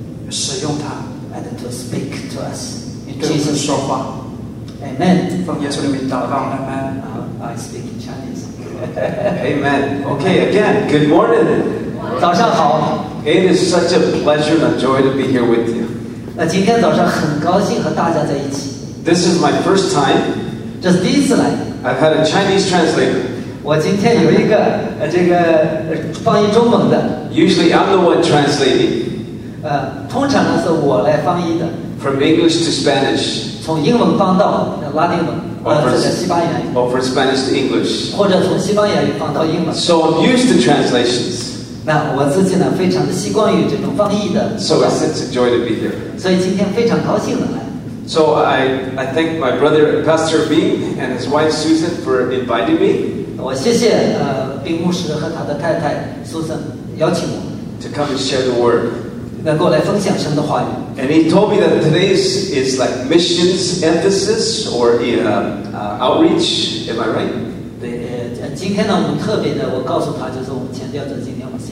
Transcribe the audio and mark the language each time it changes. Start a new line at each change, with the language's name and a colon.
Chinese: 使用他,
English: and to speak to us. In Jesus'
Chinese: 说话.
English: Amen.
Chinese: 奉耶稣的名祷告, Amen.
English: I speak in Chinese. Amen. Okay, again, good morning.
Chinese: 早上好.
English: It is such a pleasure and a joy to be here with you.
Chinese: 今天早上很高兴和大家在一起。
English: This is my first time.
Chinese: 这是第一次来。
English: I've had a Chinese translator.
Chinese: 我今天有一个这个翻译中文的。
English: Usually I'm the one translating.
Chinese: 通常呢是我来翻译的。
English: From English to Spanish.
Chinese: 从英文翻到拉丁文，或者西班牙语。
English: Or from Spanish to English.
Chinese: 或者从西班牙语翻到英文。
English: So I'm used to translations.
Chinese: 那我自己呢，非常的习惯于这种翻译的。
English: So it's a joy to be here.
Chinese: 所以今天非常高兴的来。
English: So I thank my brother Pastor Bing and his wife Susan for inviting me.
Chinese: 我谢谢宾牧师和他的太太 Susan 邀请我。
English: To come and share the word.
Chinese: 能够来分享神的话语。
English: And he told me that today is like missions emphasis or outreach. Am I right?
Chinese: 对，今天呢，我们特别的，我告诉他就是我们强调的今天。